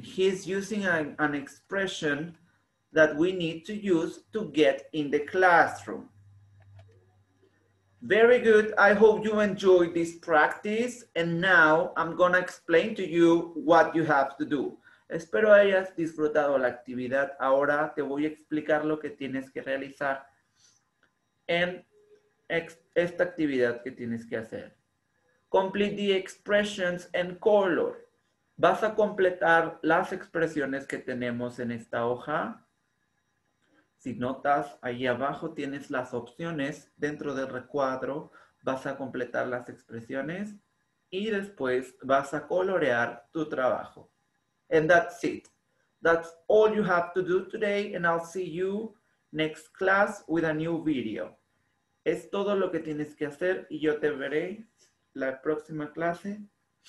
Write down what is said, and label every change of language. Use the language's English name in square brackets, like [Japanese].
[English] He's using an expression that we need to use to get in the classroom. Very good. I hope you enjoyed this practice. And now I'm gonna explain to you what you have to do. [Spanish] Espero hayas disfrutado la actividad. Ahora te voy a explicar lo que tienes que realizar en esta actividad que tienes que hacer. [English] Complete the expressions and color. [Spanish] Vas a completar las expresiones que tenemos en esta hoja. Si notas, ahí abajo tienes las opciones dentro del recuadro. Vas a completar las expresiones y después vas a colorear tu trabajo. [English] And that's it. That's all you have to do today, and I'll see you next class with a new video. [Spanish] Es todo lo que tienes que hacer y yo te veré la próxima clase con un nuevo video. ¿Ok?